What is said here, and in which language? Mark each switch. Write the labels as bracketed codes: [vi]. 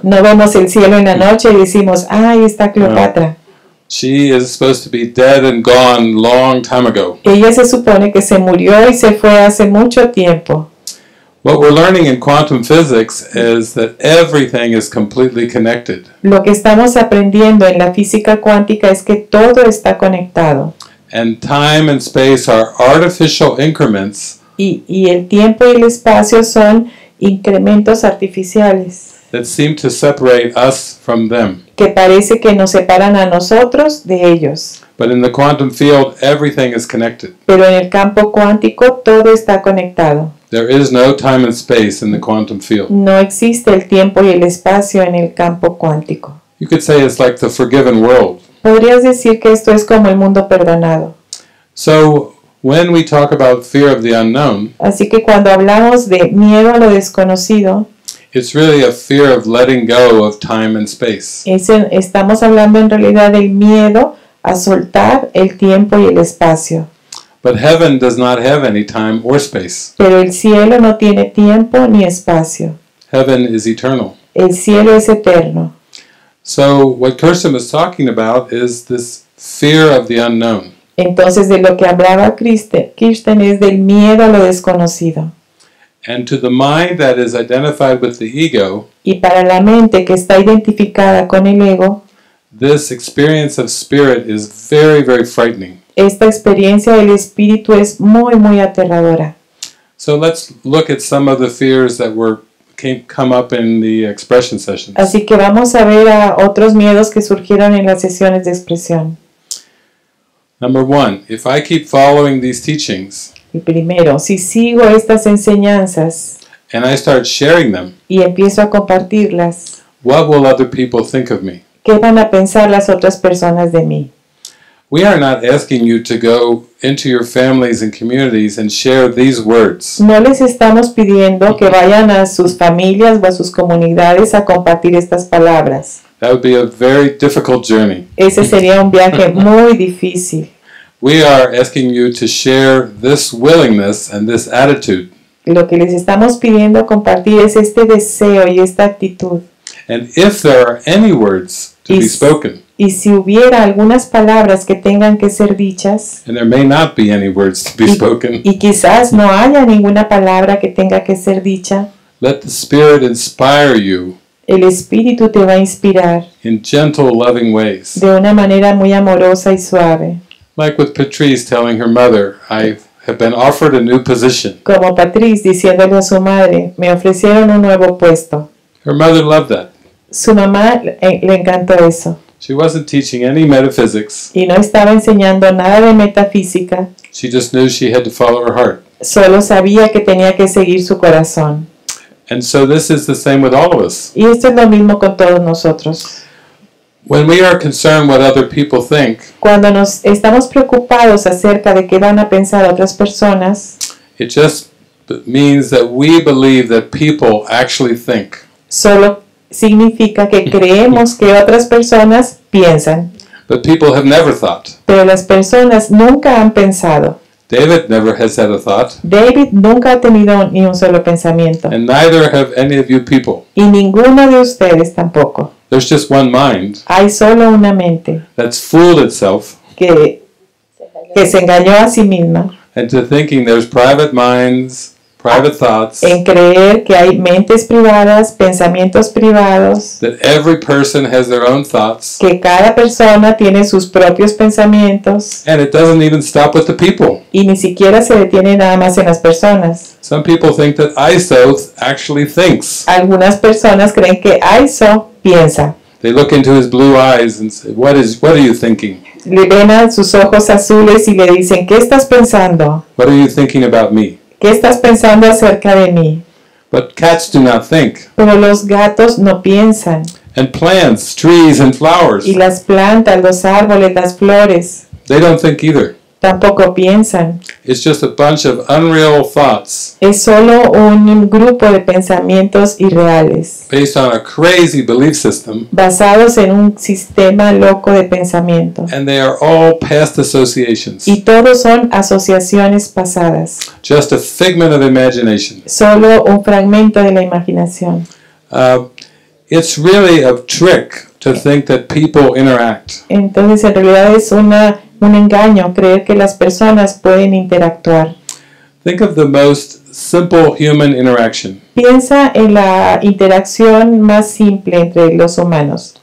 [es] No vemos el cielo en la noche y decimos, ahí está Cleopatra. No. [en] She is supposed to be dead and gone long time ago. [es] Ella se supone que se murió y se fue hace mucho tiempo. [en] What we're learning in quantum physics is that everything is completely connected. [es] Lo que estamos aprendiendo en la física cuántica es que todo está conectado. [en] And time and space are artificial increments. [es] Y el tiempo y el espacio son incrementos artificiales. [en] That seem to separate us from them. [es] Que parece que nos separan a nosotros de ellos. [en] But in the quantum field, everything is connected. [es] Pero en el campo cuántico, todo está conectado. [en] There is no time and space in the quantum field. [es] No existe el tiempo y el espacio en el campo cuántico. [en] You could say it's like the forgiven world. [es] Podrías decir que esto es como el mundo perdonado. [en] So, when we talk about fear of the unknown, [es] así que cuando hablamos de miedo a lo desconocido, [en] it's really a fear of letting go of time and space. [es] Estamos hablando en realidad del miedo a soltar el tiempo y el espacio. [en] But heaven does not have any time or space. [es] Pero el cielo no tiene tiempo ni espacio. [en] Heaven is eternal. [es] El cielo es eterno. [en] So what Kirsten was talking about is this fear of the unknown. [es] Entonces de lo que hablaba Kirsten es del miedo a lo desconocido. [en] And to the mind that is identified with the ego, [es] y para la mente que está identificada con el ego, [en] this experience of spirit is very, very frightening. [es] Esta experiencia del espíritu es muy, muy aterradora. [en] So let's look at some of the fears that came up in the expression sessions. [es] Así que vamos a ver a otros miedos que surgieron en las sesiones de expresión. [en] Number one, if I keep following these teachings, [es] y primero, si sigo estas enseñanzas [en] and I start sharing them, [es] y empiezo a compartirlas, [en] what will other people think of me? [es] ¿Qué van a pensar las otras personas de mí? [en] We are not asking you to go into your families and communities and share these words. [es] No les estamos pidiendo que vayan a sus familias o a sus comunidades a compartir estas palabras. [en] That would be a very difficult journey. [es] Ese sería un viaje muy difícil. [en] We are asking you to share this willingness and this attitude. [es] Lo que les estamos pidiendo compartir es este deseo y esta actitud. [en] And if there are any words to be spoken, [es] y si hubiera algunas palabras que tengan que ser dichas, [en] and there may not be any words to be spoken, [es] y quizás no haya ninguna palabra que tenga que ser dicha, [en] let the Spirit inspire you. [es] El Espíritu te va a inspirar [en] in gentle, loving ways. [es] De una manera muy amorosa y suave. [en] Like with Patrice telling her mother, I have been offered a new position. [es] Como Patrice diciéndole a su madre, me ofrecieron un nuevo puesto. [en] Her mother loved that. [es] Su mamá le encantó eso. [en] She wasn't teaching any metaphysics. [es] Y no estaba enseñando nada de metafísica. [en] She just knew she had to follow her heart. [es] Solo sabía que tenía que seguir su corazón. [en] And so this is the same with all of us. [es] Y esto es lo mismo con todos nosotros. [en] When we are concerned what other people think, [es] cuando nos estamos preocupados acerca de qué van a pensar otras personas, [en] it just means that we believe that people actually think. [es] Solo significa que creemos que otras personas piensan. [en] But people have never thought. [es] Pero las personas nunca han pensado. [en] David never has had a thought. [es] David nunca ha tenido ni un solo pensamiento. [en] And neither have any of you people. [es] Y ninguno de ustedes tampoco. [en] There's just one mind. [es] Hay solo una mente. [en] That's fooled itself. [es] Que se engañó a sí misma. [en] and to thinking there's private minds, private thoughts. [es] En creer que hay mentes privadas, pensamientos privados. [en] That every person has their own thoughts. [es] Que cada persona tiene sus propios pensamientos. [en] And it doesn't even stop with the people. [es] Y ni siquiera se detiene nada más en las personas. [en] Some people think that ISO actually thinks. [es] Algunas personas creen que ISO piensa. [en] They look into his blue eyes and say, what are you thinking? [es] Le ven a sus ojos azules y le dicen, ¿qué estás pensando? [en] What are you thinking about me? [es] ¿Qué estás pensando acerca de mí? [en] But cats do not think. [es] Pero los gatos no piensan. [en] And plants, trees, and flowers. [es] Y las plantas, los árboles, las flores. [en] They don't think either. [es] Tampoco piensan. [en] It's just a bunch of unreal thoughts. [es] Es solo un grupo de pensamientos irreales. [en] Based on a crazy belief system. [es] Basados en un sistema loco de pensamiento. [en] And they are all past associations. [es] Y todos son asociaciones pasadas. [en] Just a figment of imagination. [es] Solo un fragmento de la imaginación. [en] It's really a trick to think that people interact. [es] Entonces, en realidad es un engaño creer que las personas pueden interactuar. [en] Think of the most simple human interaction. [es] Piensa en la interacción más simple entre los humanos.